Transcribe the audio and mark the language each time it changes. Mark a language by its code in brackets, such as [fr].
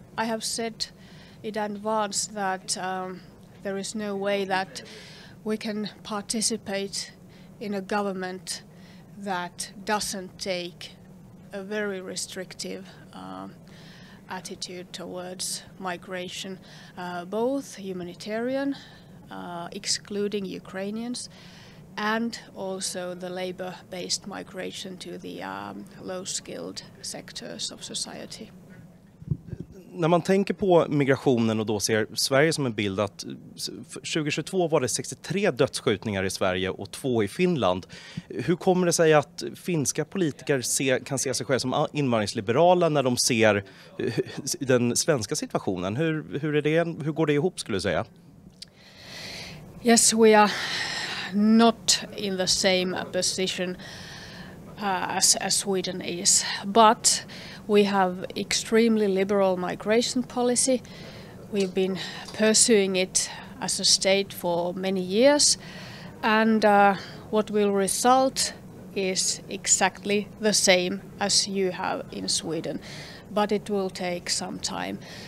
[en] I have said in advance that there is no way that we can participate in a government that doesn't take a very restrictive attitude towards migration, both humanitarian, excluding Ukrainians, and also the labor-based migration to the low-skilled sectors of society. [sv] när man tänker på migrationen och då ser Sverige som en bild att 2022 var det 63 dödsskjutningar i Sverige och 2 i Finland. Hur kommer det sig att finska politiker kan se sig själv som invandringsliberala när de ser den svenska situationen? Hur går det ihop skulle du säga? [en] Yes, we are not in the same position as Sweden is, but we have extremely liberal migration policy. We've been pursuing it as a state for many years, and what will result is exactly the same as you have in Sweden, but it will take some time.